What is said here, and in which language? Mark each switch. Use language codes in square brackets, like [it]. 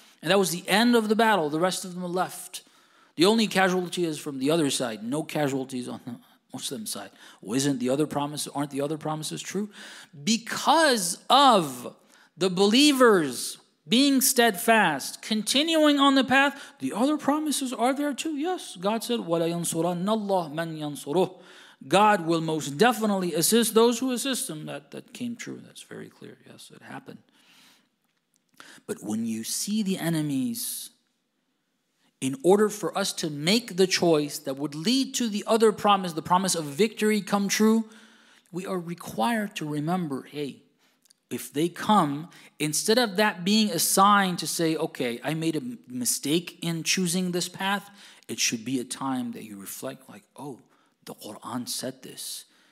[en] And that was the end of the battle. The rest of them left. The only casualty is from the other side. No casualties on the Muslim side. Well, aren't the other promises true? Because of the believers being steadfast, continuing on the path, the other promises are there too. Yes, God said, [ar] وَلَيَنْصُرَنَّ اللَّهُ مَنْ يَنْصُرُهُ. [en] God will most definitely assist those who assist him. That came true. That's very clear. Yes, it happened. But when you see the enemies, in order for us to make the choice that would lead to the other promise, the promise of victory come true, we are required to remember, hey, if they come, instead of that being a sign to say, okay, I made a mistake in choosing this path, it should be a time that you reflect like, oh, the Quran said this.